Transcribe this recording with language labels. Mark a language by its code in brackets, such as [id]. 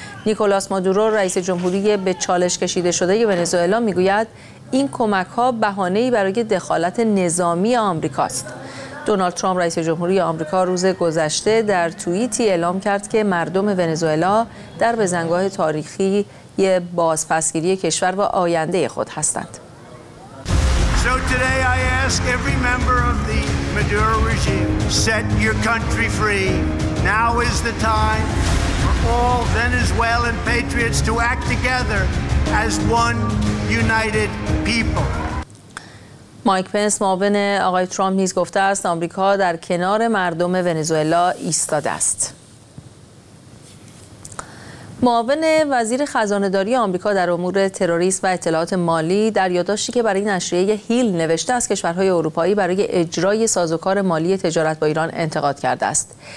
[fa] نیکولاس مادورو رئیس جمهوری به چالش کشیده شده ونزوئلا می‌گوید این کمک‌ها بهانه‌ای برای دخالت نظامی آمریکاست. دونالد ترامپ رئیس جمهوری آمریکا روز گذشته در توییتی اعلام کرد که مردم ونزوئلا در بزنگاه تاریخی بازپسگیری کشور و آینده خود هستند. [en] So today I ask every member of the Maduro regime, set your country free. Now is the time for all Venezuelan patriots to act together as one united people. [fa] مایک پنس معاون آقای ترامپ نیز گفته است آمریکا در کنار مردم ونزوئلا ایستاده است. معاون وزیر خزانه‌داری آمریکا در امور تروریسم و اطلاعات مالی در یادداشتی که برای نشریه هیل نوشته است کشورهای اروپایی برای اجرای سازوکار مالی تجارت با ایران انتقاد کرده است.